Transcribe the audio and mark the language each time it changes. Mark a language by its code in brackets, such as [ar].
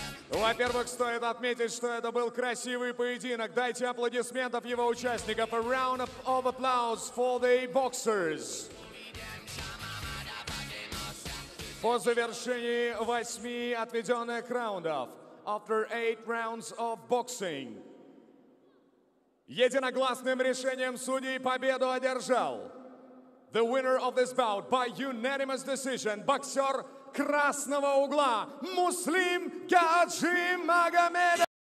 [ru] Во-первых, стоит отметить, что это был красивый поединок. Дайте аплодисментов его участникам. [en] A round of applause for the boxers. [ru] По завершении восьми отведенных раундов, [en] after eight rounds of boxing, [ru] единогласным решением судей победу одержал [en] the winner of this bout by unanimous decision, [ru] боксер красного угла, Муслим Гаджимагомедов.